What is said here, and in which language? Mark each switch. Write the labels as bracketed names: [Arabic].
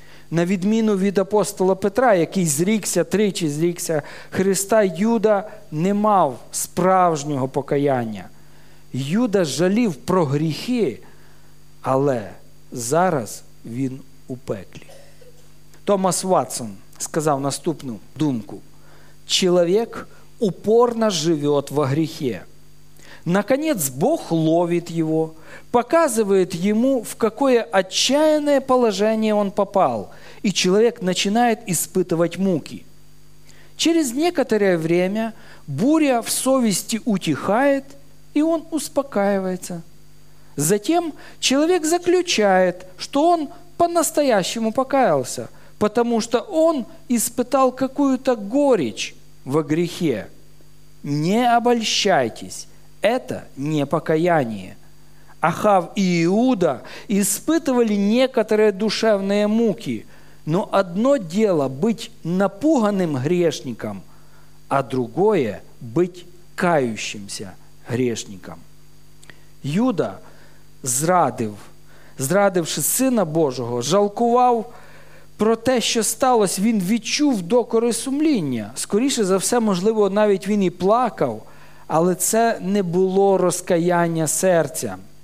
[Ukrainian] На відміну від апостола Петра, який тричі зрікся Христа, Юда не мав справжнього покаяння. Юда жалів про гріхи, але зараз він у пеклі. Томас Ватсон сказав наступну думку: «Чоловік упорно живе во гріхе. [Russian] Наконец Бог ловит его, показывает ему, в какое отчаянное положение он попал, и человек начинает испытывать муки. Через некоторое время буря в совести утихает, и он успокаивается. Затем человек заключает, что он по-настоящему покаялся, потому что он испытал какую-то горечь во грехе. Не обольщайтесь, это не покаяние. Ахав и Иуда испытывали некоторые душевные муки, но одно дело быть напуганным грешником, а другое быть кающимся грешником. [Ukrainian] Юда зрадивши Сина Божого, жалкував про те, що сталося, він відчув докори сумління. Скоріше за все, можливо, навіть він і плакав, але це не було розкаяння серця.